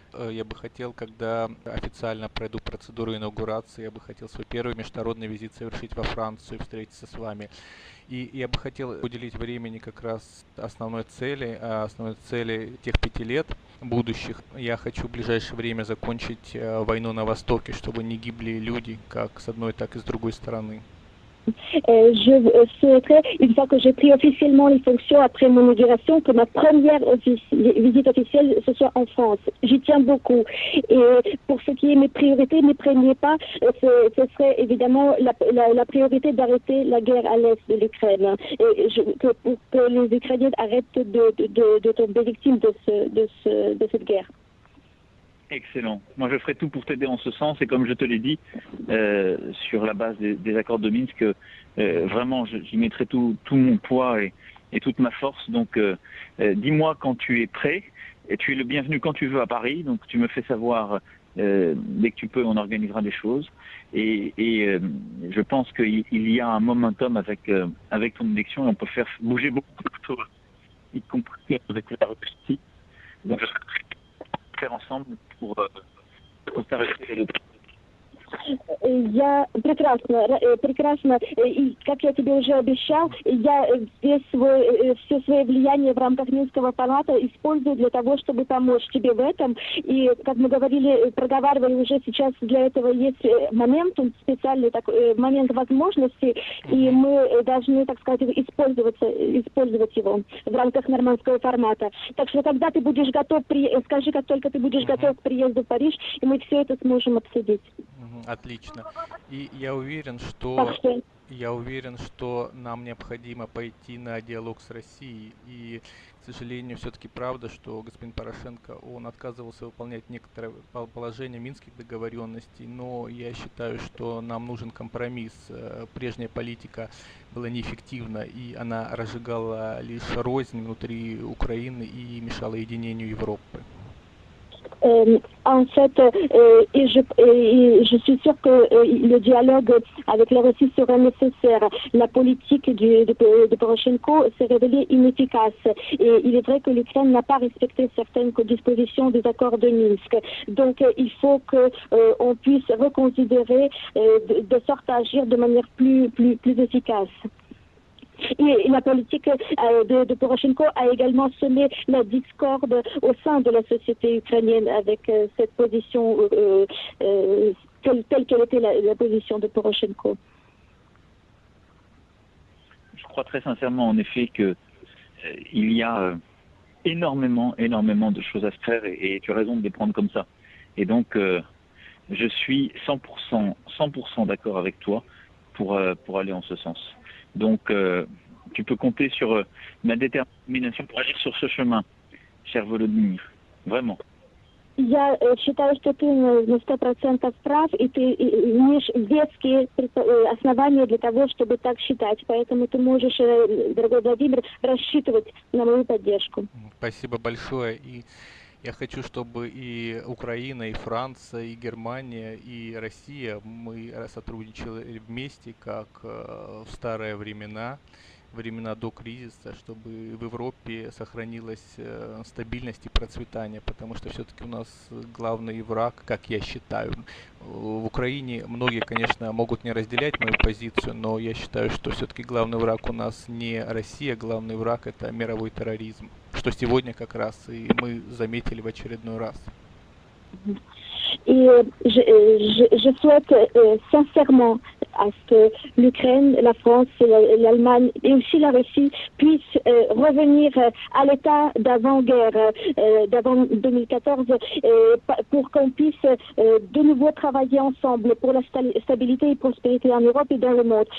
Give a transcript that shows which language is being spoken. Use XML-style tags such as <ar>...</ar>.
<ru>Я бы хотел, когда официально пройду процедуру инаугурации, я бы хотел свой первый международный визит совершить во Францию и встретиться с вами. И я бы хотел уделить времени как раз основной цели тех 5 лет будущих. Я хочу в ближайшее время закончить войну на Востоке, чтобы не гибли люди как с одной, так и с другой стороны.</ru> <fr>Je souhaiterais, une fois que j'ai pris officiellement les fonctions après mon inauguration, que ma première visite officielle ce soit en France. J'y tiens beaucoup. Et pour ce qui est mes priorités, mes premiers pas, ce serait évidemment la priorité d'arrêter la guerre à l'est de l'Ukraine. Et pour que les Ukrainiens arrêtent de tomber victimes de cette guerre. Excellent. Moi, je ferai tout pour t'aider en ce sens. Et comme je te l'ai dit, sur la base des accords de Minsk, vraiment, j'y mettrai tout mon poids et toute ma force. Donc, dis-moi quand tu es prêt. Et tu es le bienvenu quand tu veux à Paris. Donc, tu me fais savoir Dès que tu peux, on organisera des choses. Je pense qu'il y a un momentum avec ton élection et on peut faire bouger beaucoup de choses, y compris avec la Russie. Donc, je serai très faire ensemble pour contrarier le.</fr> <ru>Я прекрасно, прекрасно, и как я тебе уже обещал, я все свое влияние в рамках Минского формата использую для того, чтобы помочь тебе в этом. И как мы говорили, проговаривали уже сейчас, для этого есть момент, специальный такой момент возможности, и мы должны, так сказать, использовать его в рамках Нормандского формата. Так что когда ты будешь готов, скажи, как только ты будешь готов к приезду в Париж, и мы все это сможем обсудить. Отлично. И я уверен, что нам необходимо пойти на диалог с Россией. И, к сожалению, все-таки правда, что господин Порошенко, он отказывался выполнять некоторые положения минских договоренностей. Но я считаю, что нам нужен компромисс. Прежняя политика была неэффективна, и она разжигала лишь рознь внутри Украины и мешала единению Европы.</ru> <fr>En fait, je suis sûre que le dialogue avec la Russie sera nécessaire. La politique de Poroshenko s'est révélée inefficace. Et il est vrai que l'Ukraine n'a pas respecté certaines dispositions des accords de Minsk. Donc, il faut qu'on puisse reconsidérer de sorte à agir de manière plus efficace. Et la politique de Poroshenko a également semé la discorde au sein de la société ukrainienne avec cette position telle qu'elle était la position de Poroshenko. Je crois très sincèrement en effet qu'il y a énormément de choses à se faire et tu as raison de les prendre comme ça. Et donc je suis 100% d'accord avec toi pour aller en ce sens. Donc tu peux compter sur ma détermination pour agir sur ce chemin, cher Volodymyr. Vraiment.</fr> <ru>Я считаю, что ты на 100% прав, и ты имеешь веские основания для того, чтобы так считать. Поэтому ты можешь, дорогой Владимир, рассчитывать на мою поддержку. Спасибо большое. И я хочу, чтобы и Украина, и Франция, и Германия, и Россия, мы сотрудничали вместе, как в старые времена. Времена до кризиса, чтобы в Европе сохранилась стабильность и процветание, потому что все-таки у нас главный враг, как я считаю. В Украине многие, конечно, могут не разделять мою позицию, но я считаю, что все-таки главный враг у нас не Россия, главный враг – это мировой терроризм, что сегодня как раз и мы заметили в очередной раз.</ru> <fr>Et je souhaite sincèrement à ce que l'Ukraine, la France, l'Allemagne et aussi la Russie puissent revenir à l'état d'avant-guerre, d'avant 2014, pour qu'on puisse de nouveau travailler ensemble pour la stabilité et prospérité en Europe et dans le monde.</fr>